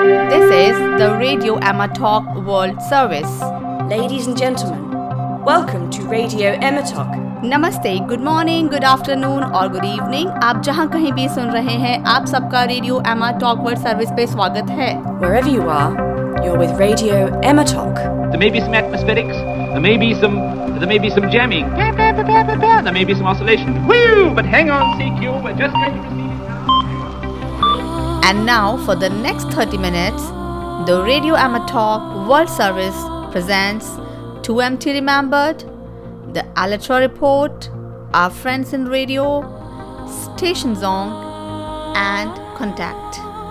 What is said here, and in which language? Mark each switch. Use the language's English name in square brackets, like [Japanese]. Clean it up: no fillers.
[English] This is the Radio Emma Talk World Service. Ladies and gentlemen, welcome to Radio Emma Talk. [Hindi] नमस्ते, [English] good morning, good afternoon [Hindi] और [English] Good evening. [Hindi] आप जहां कहीं भी सुन रहे हैं, आप सबका रेडियो एमा टॉक वर्ल्ड सर्विस पे स्वागत है. [English] Wherever you are, you're with Radio Emma Talk. There may be some atmospherics, there may be some jamming. There may be some oscillation. Woo! But hang on, CQ, we're just going to And now, for the next 30 minutes, the Radio Emma Talk World Service presents 2MT Remembered, The Aletra Report, Our Friends in Radio, Station Zong, and Contact.